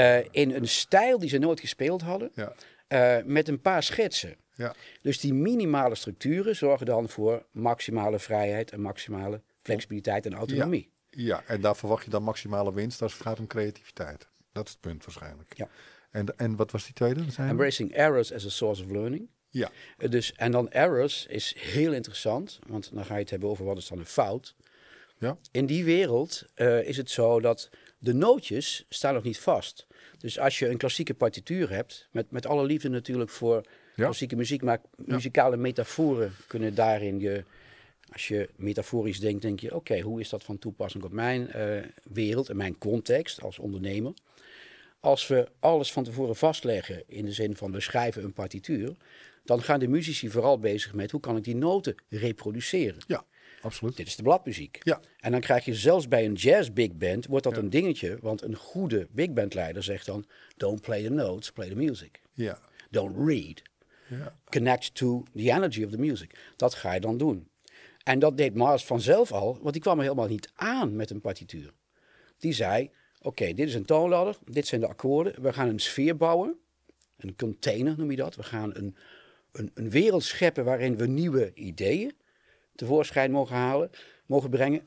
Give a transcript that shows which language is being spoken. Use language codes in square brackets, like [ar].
[nl] In een stijl die ze nooit gespeeld hadden. Ja. Met een paar schetsen. Ja. Dus die minimale structuren zorgen dan voor maximale vrijheid en maximale flexibiliteit en autonomie. Ja, ja. En daar verwacht je dan maximale winst als het gaat om creativiteit. Dat is het punt waarschijnlijk. Ja. En wat was die tweede? [en] Embracing errors as a source of learning. [nl] Ja. Dus, en dan errors is heel interessant, want dan ga je het hebben over wat is dan een fout. Ja. In die wereld is het zo dat de nootjes staan nog niet vast. Dus als je een klassieke partituur hebt, met alle liefde natuurlijk voor... Ja. Klassieke muziek, maar muzikale metaforen kunnen daarin je... Als je metaforisch denkt, denk je... Oké, hoe is dat van toepassing op mijn wereld en mijn context als ondernemer? Als we alles van tevoren vastleggen in de zin van we schrijven een partituur... Dan gaan de muzici vooral bezig met hoe kan ik die noten reproduceren? Ja, absoluut. Dit is de bladmuziek. Ja. En dan krijg je zelfs bij een jazz big band wordt dat een dingetje. Want een goede big band leider zegt dan... [en] Don't play the notes, play the music. [nl] Ja. [en] Don't read. [nl] Ja. [en] Connect to the energy of the music. [nl] Dat ga je dan doen. En dat deed Miles vanzelf al, want die kwam er helemaal niet aan met een partituur. Die zei, oké, dit is een toonladder, dit zijn de akkoorden, we gaan een sfeer bouwen. Een container noem je dat. We gaan een wereld scheppen waarin we nieuwe ideeën tevoorschijn mogen halen, mogen brengen.